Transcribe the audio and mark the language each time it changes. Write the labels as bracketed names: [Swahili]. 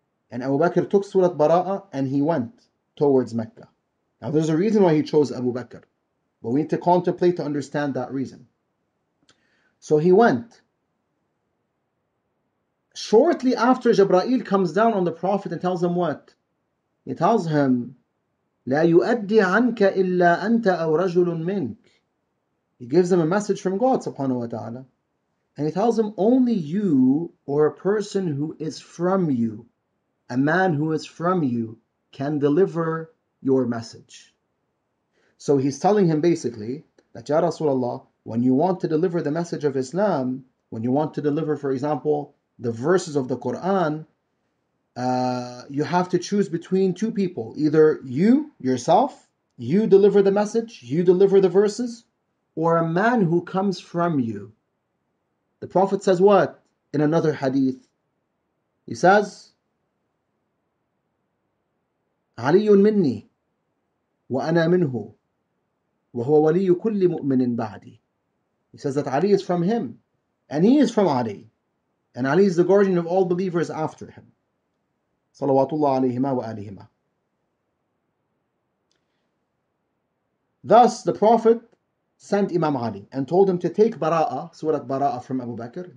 [English] And Abu Bakr took Surat Bara'ah and he went towards Mecca. Now there's a reason why he chose Abu Bakr, but we need to contemplate to understand that reason. So he went. Shortly after Jibreel comes down on the Prophet and tells him what? He tells him, [Arabic] لا يؤدي عنك إلا أنت أو رجل منك. [English] He gives him a message from God subhanahu wa ta'ala. And he tells him, only you or a person who is from you, a man who is from you, can deliver your message. So he's telling him basically that Ya Rasulullah, when you want to deliver the message of Islam, when you want to deliver, for example, the verses of the Quran, You have to choose between two people, either you yourself, you deliver the message, you deliver the verses, or a man who comes from you. The Prophet says what in another hadith? He says, [Arabic] عَلِيٌّ مِنِّي وَأَنَا مِنْهُ وَهُوَ وَلِيُّ كُلِّ مُؤْمِنٍ بَعْدِي. [English] He says that Ali is from him, and he is from Ali, and Ali is the guardian of all believers after him. [Arabic] Salawatullah alayhima wa alihima. [English] Thus, the Prophet sent Imam Ali and told him to take Bara'ah, Surat Bara'ah, from Abu Bakr.